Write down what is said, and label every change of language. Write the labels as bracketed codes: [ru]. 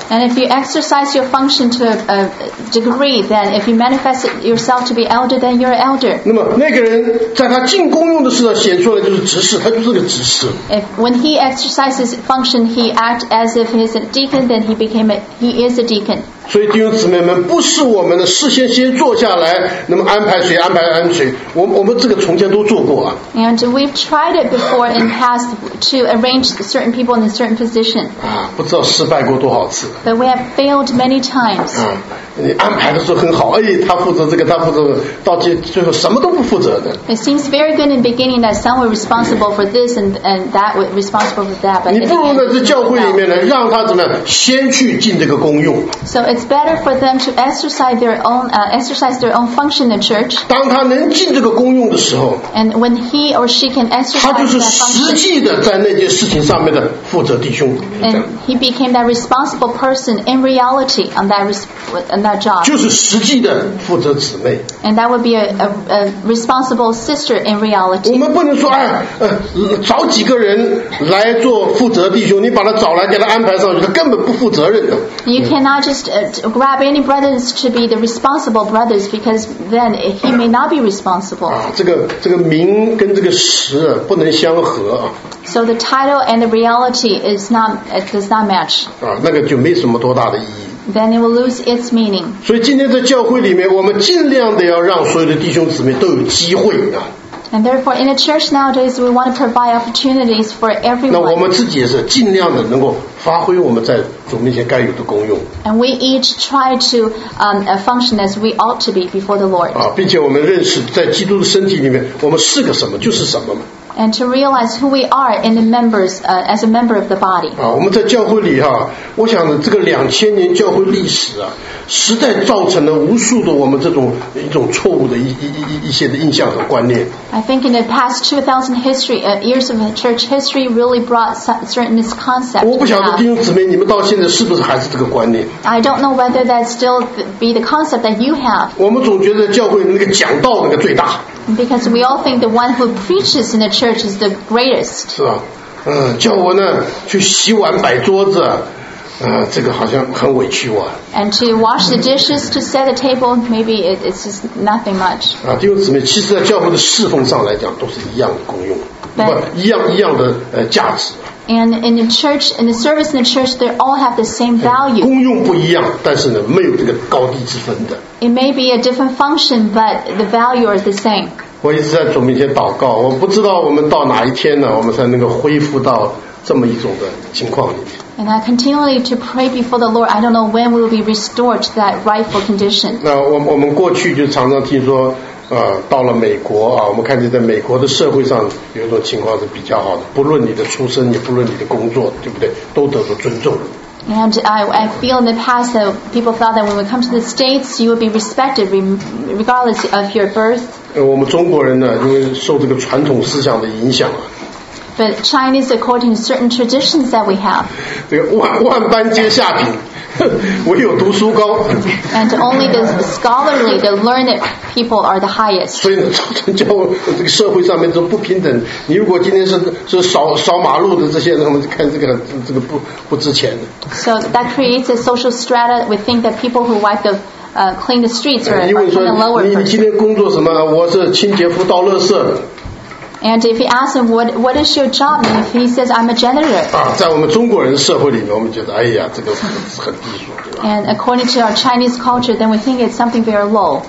[en] And if you exercise your function to a degree, then if you manifest yourself to be elder, then you're elder. [zh] 那么那个人在他进功用的时候显出来就是执事，他就是个执事。 [en] If when he exercises function, he act as if he's a deacon, then he is a deacon. [zh] 所以弟兄姊妹们，不是我们的事先坐下来，那么安排谁？我们这个从前都做过啊。 [en] And we've tried it before in past to arrange certain people in a certain position. [zh] 啊，不知道失败过多少次。 [en] But we have failed many times. [zh] 啊，你安排的时候很好，哎，他负责这个，他负责，到最后什么都不负责的。 [en] It seems very good in the beginning that some were responsible for this and that were responsible for that. But [zh] 你不如在这教会里面呢，让他怎么样，先去进这个功用。 [en] So it it's better for them to exercise their own, exercise their own function in the church. [zh] 当他能尽这个功用的时候， [en] and when he or she can exercise that function, [zh] 他就是实际的在那件事情上面的负责弟兄。 [en] And he became that responsible person in reality on that, on that job. [zh] 就是实际的负责姊妹。 [en] And that would be a responsible sister in reality. [zh] 我们不能说，哎，找几个人来做负责弟兄，你把他找来给他安排上去，他根本不负责任的。 [en] You cannot just grab any brothers to be the responsible brothers because then he may not be responsible. [zh] 啊，这个名跟这个实不能相合。 [en] So the title and the reality is not, it does not match. [zh] 啊，那个就没什么多大的意义。 [en] Then it will lose its meaning. [zh] 所以今天在教会里面，我们尽量的要让所有的弟兄姊妹都有机会啊。 [en] And therefore, in a church nowadays, we want to provide opportunities for everyone. [zh] 那我们自己也是尽量的能够发挥我们在主面前该有的功用。 [en] And we each try to function as we ought to be before the Lord. [zh] 啊，并且我们认识在基督的身体里面，我们是个什么就是什么嘛。 [en] And to realize who we are in the members, as a member of the body. [zh] 啊，我们在教会里哈，我想这个两千年教会历史啊，实在造成了无数的我们这种一种错误的一些的印象和观念。 [en] I think in the past 2,000 history, years of church history really brought certain concepts. [zh] 我不晓得弟兄姊妹，你们到现在是不是还是这个观念 [en] ？I don't know whether that still be the concept that you have. [zh] 我们总觉得教会那个讲道那个最大。 [en] Because we all think the one who preaches in the church is the greatest. [zh] 是吧？叫我呢去洗碗摆桌子，这个好像很委屈我。 [en] And to wash the dishes to set the table, maybe it's just nothing much. [zh] 啊，弟兄姊妹，其实在教会的侍奉上来讲，都是一样的功用， [en] but, [zh] 不一样一样的价值。 [en] And in the church, in the service in the church, they all have the same value. [zh] 功用不一样，但是呢，没有这个高低之分的。 [en] It may be a different function, but the value is the same. [zh] 我一直在主面前祷告，我不知道我们到哪一天呢，我们才能够恢复到这么一种的情况里面。 [en] And I continually to pray before the Lord. I don't know when we will be restored to that rightful condition. [zh] 那我们过去就常常听说，到了美国啊，我们看见在美国的社会上有一种情况是比较好的，不论你的出身，也不论你的工作，对不对？都得到尊重。 [en] And I feel in the past that people thought that when we come to the States, you would be respected regardless of your birth. [zh] 我们中国人呢，因为受这个传统思想的影响啊。 [en] But Chinese, according to certain traditions that we have. [zh] 这个万般皆下品，唯有读书高。 [en] And only the scholarly, the learned people are the highest. [zh] 所以呢，造成教这个社会上面这种不平等。你如果今天是扫马路的这些人，我们看这个不值钱的。 [en] So that creates a social strata. We think that people who wipe the clean the streets are the lower person. [zh] 你今天工作什么？我是清洁夫，倒垃圾。 [en] And if he asks him, what is your job? And if he says, I'm a janitor. [zh] 啊，在我们中国人社会里面，我们觉得，哎呀，这个很低俗。 [en] And according to our Chinese culture, then we think it's something very low.